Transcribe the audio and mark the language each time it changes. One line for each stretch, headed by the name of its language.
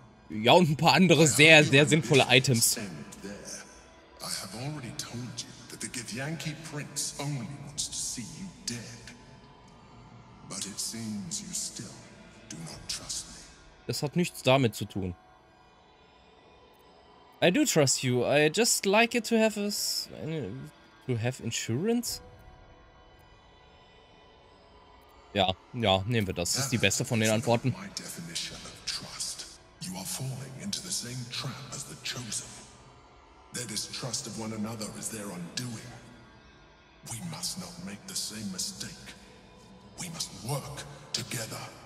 German: Ja, und ein paar andere sehr, sehr sinnvolle Items.
English: I have already told you that the Githyanki Prince only wants to see you dead. But it seems you still do not trust me.
German: Das hat nichts damit zu tun.
English: I do trust you. I just like it to have us to have insurance.
German: Ja, ja, nehmen wir das. Das ist die beste von den Antworten.
English: My definition of trust. You are falling into the same trap as the chosen. Their distrust of one another is their undoing. We must not make the same mistake. We must work together.